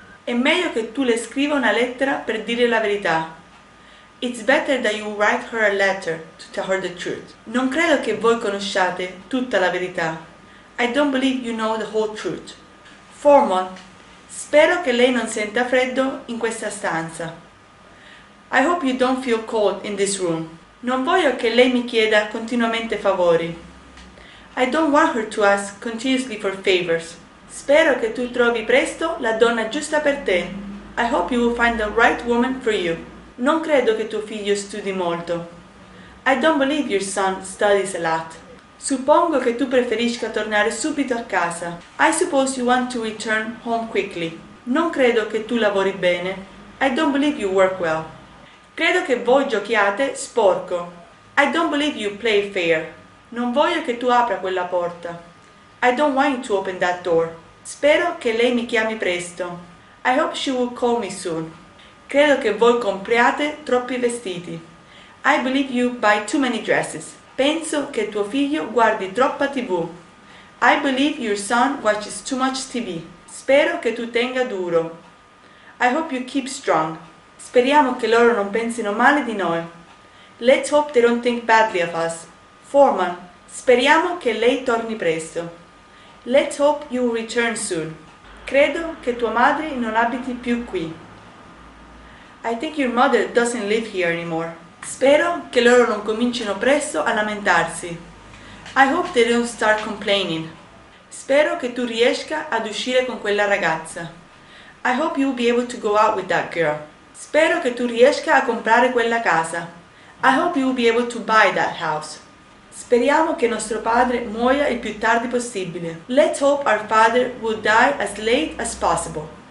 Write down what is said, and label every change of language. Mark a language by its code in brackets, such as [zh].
[it] È meglio che tu le scriva una lettera per dire la verità. [en] It's better that you write her a letter to tell her the truth. [it] Non credo che voi conosciate tutta la verità. [en] I don't believe you know the whole truth. Formal. [it] Spero che lei non senta freddo in questa stanza. [en] I hope you don't feel cold in this room. [it] Non voglio che lei mi chieda continuamente favori. [en] I don't want her to ask continuously for favors. [it] Spero che tu trovi presto la donna giusta per te. [en] I hope you will find the right woman for you. [it] Non credo che tuo figlio studi molto. [en] I don't believe your son studies a lot. [it] Suppongo che tu preferisca tornare subito a casa. [en] I suppose you want to return home quickly. [it] Non credo che tu lavori bene. [en] I don't believe you work well. [it] Credo che voi giochiate sporco. [en] I don't believe you play fair. [it] Non voglio che tu apra quella porta. [en] I don't want you to open that door. [it] Spero che lei mi chiami presto. [en] I hope she will call me soon. [it] Credo che voi compriate troppi vestiti. [en] I believe you buy too many dresses. [it] Penso che tuo figlio guardi troppa TV. [en] I believe your son watches too much TV. [it] Spero che tu tenga duro. [en] I hope you keep strong. [it] Speriamo che loro non pensino male di noi. [en] Let's hope they don't think badly of us. [it] Formal. Speriamo che lei torni presto. [en] Let's hope you return soon. [it] Credo che tua madre non abiti più qui. [en] I think your mother doesn't live here anymore. [it] Spero che loro non comincino presto a lamentarsi. [en] I hope they don't start complaining. [it] Spero che tu riesca ad uscire con quella ragazza. [en] I hope you'll be able to go out with that girl. [it] Spero che tu riesca a comprare quella casa. [en] I hope you'll be able to buy that house. [it] Speriamo che nostro padre muoia il più tardi possibile. [en] Let's hope our father will die as late as possible.